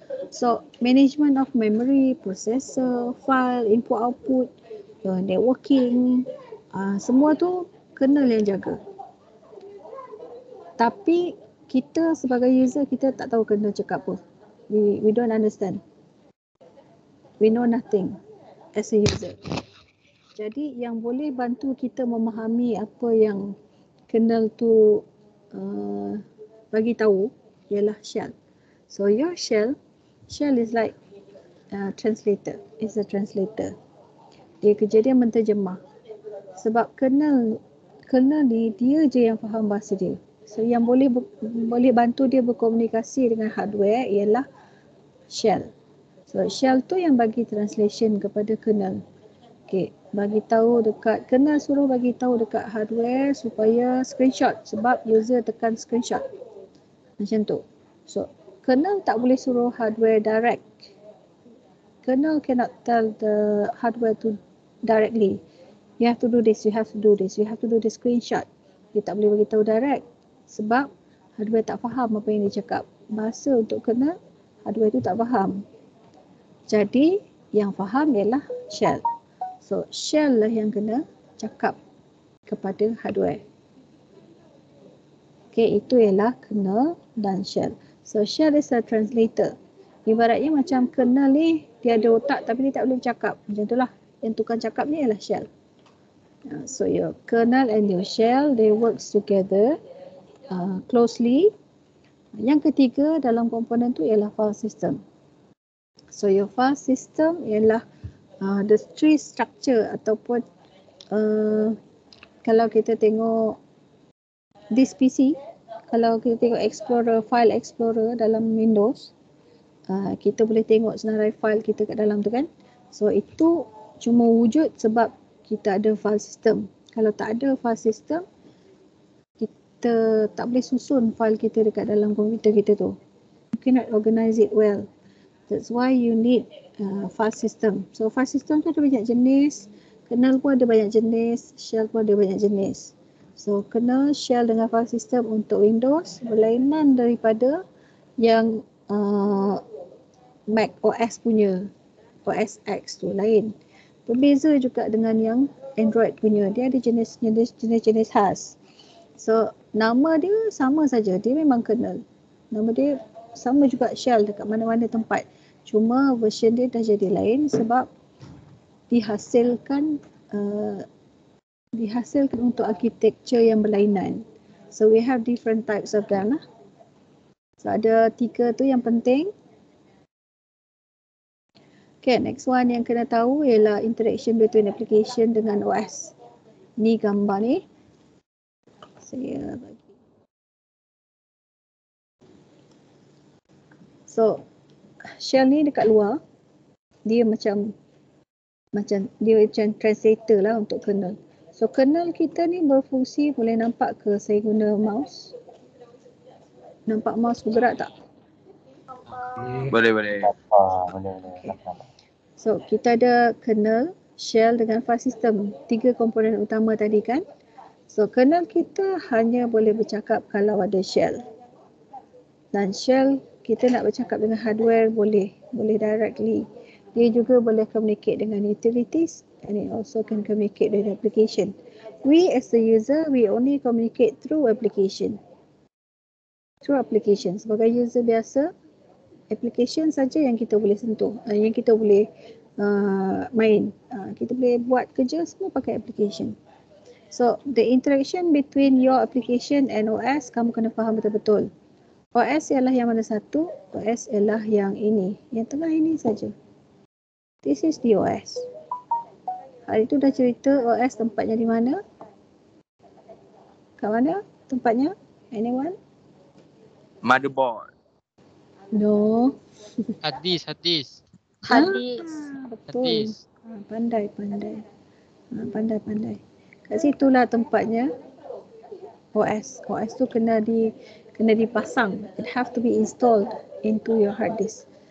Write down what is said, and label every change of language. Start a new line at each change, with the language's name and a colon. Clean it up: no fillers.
English: So, management of memory, processor, file, input output, networking,
Malay: semua tu kernel yang jaga. Tapi kita sebagai user, kita tak tahu kernel cakap apa.
English: We don't understand. We know nothing as a user.
Malay: Jadi yang boleh bantu kita memahami apa yang kernel tu bagi tahu ialah shell.
English: So your shell, shell is like translator. It's a translator.
Malay: Dia kerja dia menterjemah. Sebab kernel, kernel ni dia je yang faham bahasa dia. So yang boleh boleh bantu dia berkomunikasi dengan hardware ialah shell. So shell tu yang bagi translation kepada kernel. Okay, bagi tahu dekat kernel, suruh bagi tahu dekat hardware supaya screenshot, sebab user tekan screenshot. Macam tu. So kernel tak boleh suruh hardware direct.
English: Kernel cannot tell the hardware to directly. You have to do this, you have to do this, you have to do the screenshot.
Malay: Dia tak boleh bagi tahu direct. Sebab hardware tak faham apa yang dia cakap. Bahasa untuk kernel, hardware tu tak faham. Jadi yang faham ialah shell. So shell lah yang kena cakap kepada hardware. Okay, itu ialah kernel dan shell.
English: So shell is a translator.
Malay: Ibaratnya macam kernel ni dia ada otak tapi dia tak boleh cakap. Macam itulah. Yang tukang cakap ni ialah shell.
English: So your kernel and your shell, they works together closely.
Malay: Yang ketiga dalam komponen tu ialah file system. So your file system ialah
English: the tree structure
Malay: ataupun kalau kita tengok this PC, kalau kita tengok Explorer, file Explorer dalam Windows, kita boleh tengok senarai file kita kat dalam tu kan. So itu cuma wujud sebab kita ada file system. Kalau tak ada file system, kita tak boleh susun file kita dekat dalam komputer kita tu.
English: You cannot organize it well. That's why you need file system.
Malay: So file system tu ada banyak jenis. Kernel pun ada banyak jenis. Shell pun ada banyak jenis. So kernel, shell dengan file system untuk Windows berlainan daripada yang Mac OS punya. OS X tu lain. Berbeza juga dengan yang Android punya. Dia ada jenis-jenis khas. So nama dia sama saja. Dia memang kernel. Nama dia sama juga shell dekat mana-mana tempat. Cuma version dia dah jadi lain sebab dihasilkan dihasilkan untuk architecture yang berlainan.
English: So we have different types of them lah.
Malay: So ada tiga tu yang penting.
English: Okay, next one
Malay: yang kena tahu ialah
English: interaction between application dengan OS.
Malay: Ni gambar ni. Saya bagi. So shell ni dekat luar, dia macam dia macam translator lah untuk kernel. So kernel kita ni berfungsi, boleh nampak ke saya guna mouse? Nampak mouse bergerak tak? Boleh, boleh. Okay. So kita ada kernel, shell dengan file system. Tiga komponen utama tadi kan? So kernel kita hanya boleh bercakap kalau ada shell. Dan shell kita nak bercakap dengan hardware boleh, boleh directly. Dia juga boleh
English: communicate dengan utilities and it also can communicate with application. We as the user, we only communicate through application. Through application.
Malay: Sebagai user biasa, application saja yang kita boleh sentuh, yang kita boleh main. Kita boleh buat kerja semua pakai application.
English: So the interaction between your application and OS,
Malay: kamu kena faham betul-betul. OS ialah yang mana satu, OS ialah yang ini, yang tengah ini saja.
English: This is the OS.
Malay: Hari tu dah cerita OS tempatnya di mana? Kat mana tempatnya? Anyone?
English: Motherboard. No.
Malay: Hadis, hadis. Hadis. Hadis. Pandai, pandai. Pandai, pandai. Kat situlah tempatnya OS. OS tu kena di, kena dipasang.
English: It have to be installed into your hard disk.